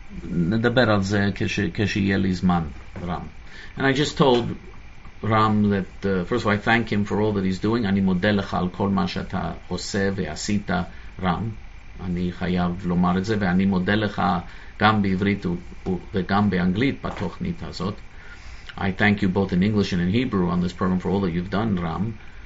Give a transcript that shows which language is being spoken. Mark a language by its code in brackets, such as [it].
[he] נדבר על זה כשיהיה לי זמן, רם. [en] And I just told Ram that, first of all, I thank him for all that he's doing. [he] אני מודה לך על כל מה שאתה עושה ועשית, רם. אני חייב לומר את זה, ואני מודה לך גם בעברית וגם באנגלית בתוכנית הזאת. [en] I thank you both in English and in Hebrew on this program for all that you've done, Ram.